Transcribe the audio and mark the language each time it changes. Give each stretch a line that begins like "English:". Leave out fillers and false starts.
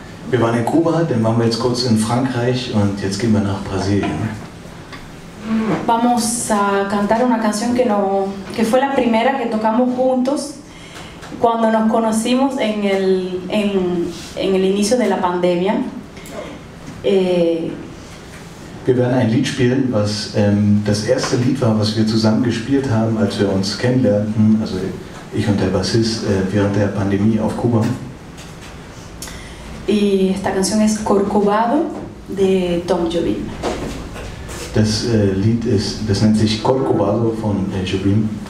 German: Wir waren in Kuba, dann waren wir jetzt kurz in Frankreich und jetzt gehen wir nach Brasilien.
Spanish: Vamos a cantar una canción que, no, que fue la primera que tocamos juntos cuando nos conocimos en el, en, en el inicio de la pandemia.
German: Wir werden ein Lied spielen, was das erste Lied war, was wir zusammen gespielt haben, als wir uns kennenlernten, also ich und der Bassist, während der Pandemie auf Kuba.
Spanish: Y esta canción es Corcovado de Tom Jobim.
German: Das Lied ist, das nennt sich Corcovado von Jobim.